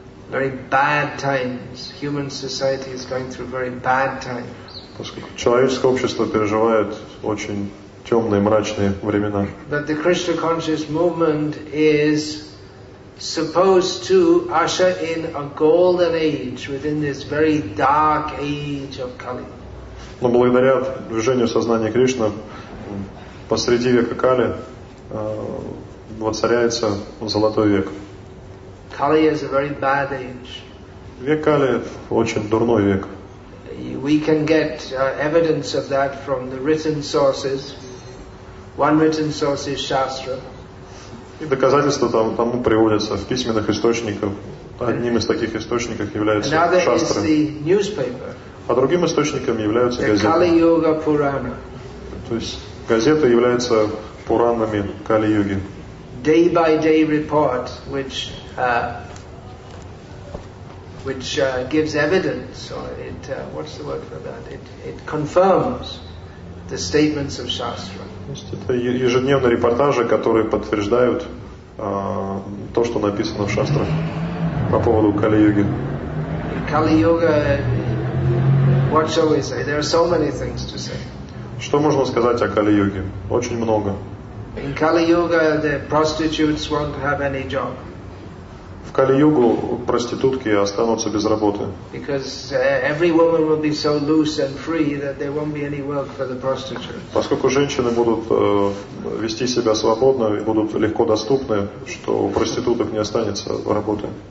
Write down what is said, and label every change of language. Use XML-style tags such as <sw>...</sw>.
<en>Very bad times. Human society is going through very bad times.</en> <ru>Человеческое общество переживает очень темные, мрачные времена.</ru> <en>But the Krishna conscious movement is supposed to usher in a golden age within this very dark age of Kali.</en> <ru>Но благодаря движению сознания Кришны посреди века Кали воцаряется золотой век.</ru> <en>Kali is a very bad age.</en> <ru>Век Кали очень дурной век.</ru> <en>We can get evidence of that from the written sources. One written source is Shastra.</en> <ru>И доказательства тому приводятся в письменных источниках. Одним из таких источников является</ru> <en>Another</en> <ru>Шастра.</ru> <en>Is the newspaper.</en> <ru>А другим источником являются</ru> <en>the</en> <ru>газеты.</ru> <en>Kali-Yuga Purana.</en> <ru>То есть газеты являются Пуранами Кали-Юги.</ru> <en>Day by day report, which gives evidence, or it, what's the word for that? It confirms the statements of Shastra.</en> <ru>Это ежедневные репортажи, которые подтверждают то, что написано в Шастрах по поводу Кали-Юги.</ru> <en>Кали-Юга, what shall we say? There are so many things to say.</en> <ru>Что можно сказать о Кали-Юге? Очень много.</ru> <en>In Kali-Yuga, the prostitutes won't have any job.</en> <ru>В Кали-Югу проститутки останутся без работы.</ru> <en>Because every woman will be so loose and free that there won't be any work for the prostitutes.</en> <ru>Поскольку женщины будут вести себя свободно и будут легко доступны, что у проституток не останется работы.</ru>